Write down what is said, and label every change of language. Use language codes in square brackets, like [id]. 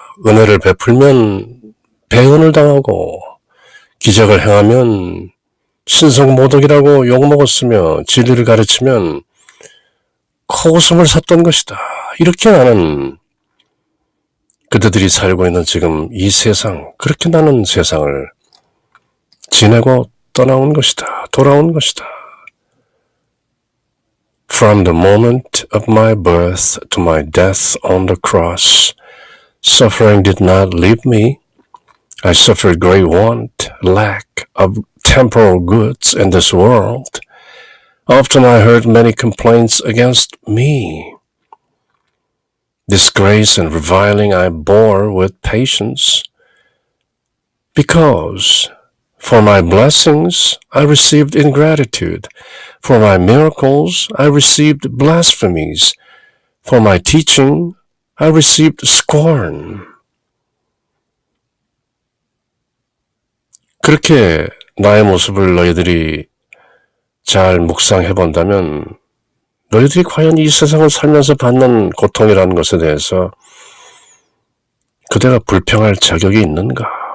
[ko] 은혜를 베풀면 배은을 당하고 기적을 행하면 신성모독이라고 욕먹었으며 진리를 가르치면 코웃음을 샀던 것이다. 이렇게 나는 그대들이 살고 있는 지금 이 세상, 그렇게 나는 세상을 지내고 떠나온 것이다. 돌아온 것이다. [en] From the moment of my birth to my death on the cross, suffering did not leave me. I suffered great want, lack of temporal goods in this world. Often I heard many complaints against me. Disgrace and reviling I bore with patience because for my blessings I received ingratitude, for my miracles I received blasphemies, for my teaching I received scorn. [ko] 그렇게 나의 모습을 너희들이 잘 묵상해 본다면 너희들이 과연 이 세상을 살면서 받는 고통이라는 것에 대해서 그대가 불평할 자격이 있는가?